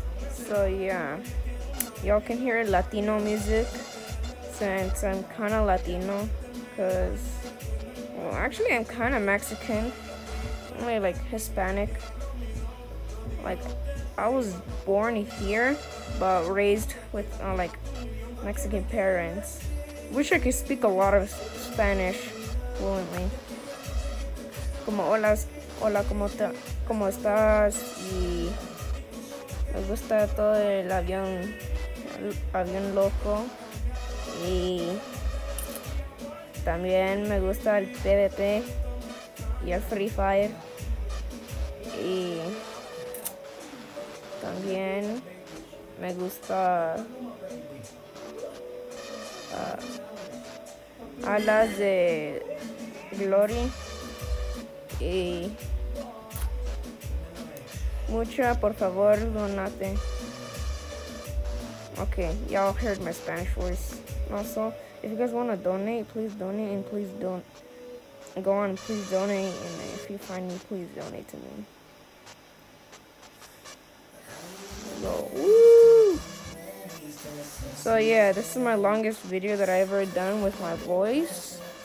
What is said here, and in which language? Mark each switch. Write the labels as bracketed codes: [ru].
[en] So yeah, y'all can hear Latino music since I'm kind of Latino, cause, well, actually I'm kind of Mexican, only like Hispanic. Like, I was born here, but raised with Mexican parents, Wish I could speak a lot of Spanish fluently. [es] Como hola, hola, cómo estás? Y me gusta todo el avión, avión loco. Y también me gusta el PvP y el Free Fire. Y también me gusta Alas de Glory y mucha, por favor, donate. [en] Okay, y'all heard my Spanish voice. Also, if you guys want to donate, and please don't go on, please donate, and if you find me, please donate to me. So, so yeah, this is my longest video that I've ever done with my voice.